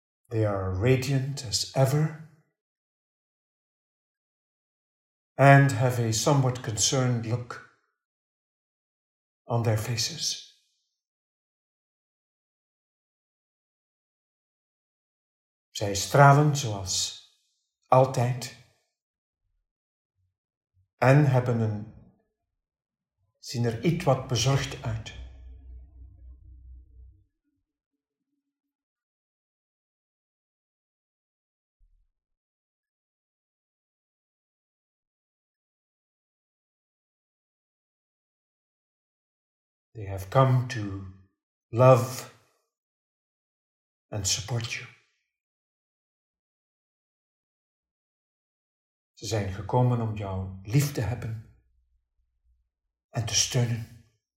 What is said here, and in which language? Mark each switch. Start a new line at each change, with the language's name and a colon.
English: They are radiant as ever and have a somewhat concerned look on their faces.
Dutch: Zij stralen zoals altijd en hebben een, zien er iets wat bezorgd uit.
English: They have come to love and support you.
Dutch: Ze zijn gekomen om jou lief te hebben en te steunen.